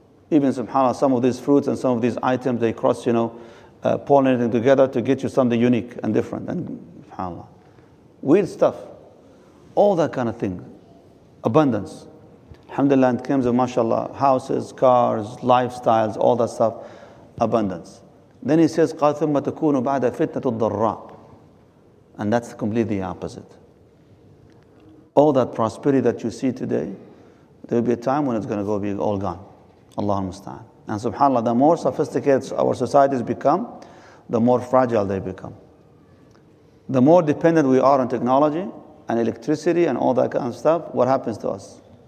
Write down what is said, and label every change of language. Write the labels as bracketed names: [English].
[English] Even, subhanAllah, some of these fruits and some of these items, they cross, pollinating together to get you something unique and different, and subhanAllah. Weird stuff. All that kind of thing. Abundance. Alhamdulillah, in terms of mashallah, houses, cars, lifestyles, all that stuff, abundance. Then he says, [Arabic] قَالْ ثُمَّ تَكُونُ بَعْدَ فِتْنَةُ الضَّرَّى. [English] And that's completely the opposite. All that prosperity that you see today, there will be a time when it's going to go be all gone. Allahu musta'an. And subhanAllah, the more sophisticated our societies become, the more fragile they become. The more dependent we are on technology and electricity and all that kind of stuff, what happens to us?